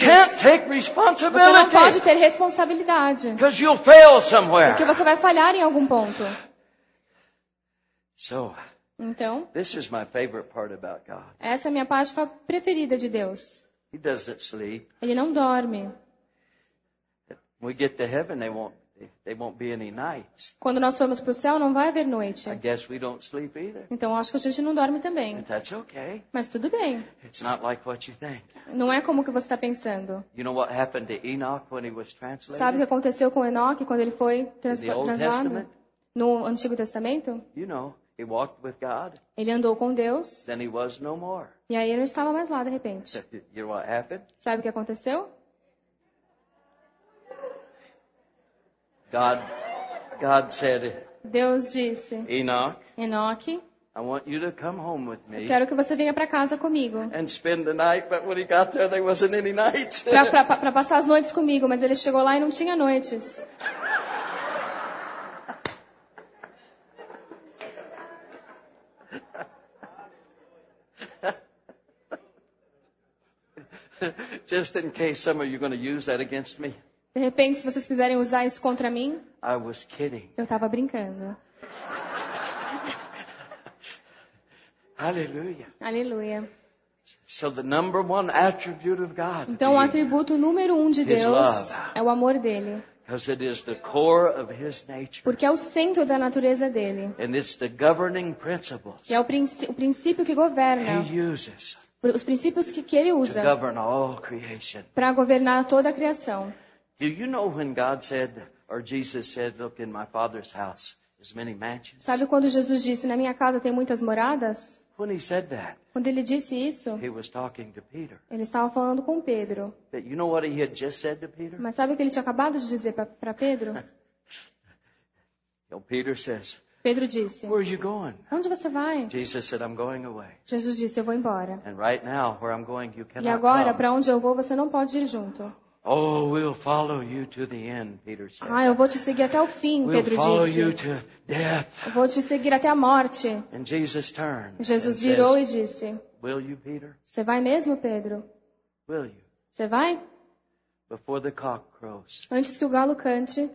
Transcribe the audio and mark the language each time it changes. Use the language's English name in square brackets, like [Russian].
[English] you can't take responsibility. [Portuguese] Você não pode ter responsabilidade. [English] Because you'll fail somewhere. [Portuguese] Porque você vai falhar em algum ponto. [English] So, [Portuguese] então, [English] this is my favorite part about God. [Portuguese] Essa é a minha parte preferida de Deus. [English] He doesn't sleep. [Portuguese] Ele não dorme. [English] We get to heaven, they won't be any nights. [Portuguese] Quando nós formos para o céu, não vai haver noite. [English] I guess we don't sleep either. [Portuguese] Então, acho que a gente não dorme também. [English] But that's okay. [Portuguese] Mas tudo bem. [English] It's not like what you think. [Portuguese] Não é como que você está pensando. [English] You know what happened to Enoch when he was translated? [Portuguese] Sabe o que aconteceu com Enoque quando ele foi translado? [English] In the Old Testament? [Portuguese] No Antigo Testamento? [English] You know, He walked with God. [Portuguese] Ele andou com Deus. [English] Then he was no more. [Portuguese] E aí ele não estava mais lá de repente. [English] You know what happened? [Portuguese] Sabe o que aconteceu? [English] God said, [Portuguese] Deus disse, [English] Enoch, I want you to come home with me. [Portuguese] Eu quero que você venha para casa comigo. [English] And spend the night, but when he got there, there wasn't any night. [Portuguese] Para passar as noites comigo, mas ele chegou lá e não tinha noites. [English] Just in case some of you are going to use that against me. [Portuguese] De repente, se vocês quiserem usar isso contra mim, [English] I was kidding. [Portuguese] Eu estava brincando. Aleluia. Aleluia. [English] So the number one attribute of God. [Portuguese] Então, o atributo número um de Deus é o amor dele. [English] Because it is the core of his nature. [Portuguese] Porque é o centro da natureza dele. [English] And it's the governing principles. [Portuguese] E é o princípio que governa. [English] He uses. [Portuguese] Os princípios que ele usa. [English] To govern all creation. [Portuguese] Para governar toda a criação. [English] Do you know when God said, or Jesus said, look, in my Father's house is many mansions? [Portuguese] Sabe quando Jesus disse, na minha casa tem muitas moradas? [English] When he said that, [Portuguese] quando ele disse isso, [English] he was talking to Peter. [Portuguese] Ele estava falando com Pedro. [English] But you know what he had just said to Peter? [Portuguese] Mas sabe o que ele tinha acabado de dizer para Pedro? Então, [English] Peter says, [Portuguese] Pedro disse, [English] where are you going? [Portuguese] Onde você vai? [English] Jesus said, I'm going away. [Portuguese] Jesus disse, eu vou embora. [English] And right now, where I'm going, you cannot [Portuguese] e agora, para onde eu vou, você não pode ir junto. [English] Oh, we'll follow you to the end, Peter said. [Portuguese] Ah, eu vou te seguir até o fim, [English] we'll [Portuguese] Pedro [English] follow [Portuguese] disse. [English] You to death. [Portuguese] Eu vou te seguir até a morte. [English] And Jesus turned. [Portuguese] Jesus [English] and [Portuguese] virou [English] says, [Portuguese] e disse. [English] Will you, Peter? [Portuguese] Você vai mesmo, Pedro? [English] Will you? [Portuguese] Você vai? [English] Before the cock crows. [Portuguese] Antes que o galo cante.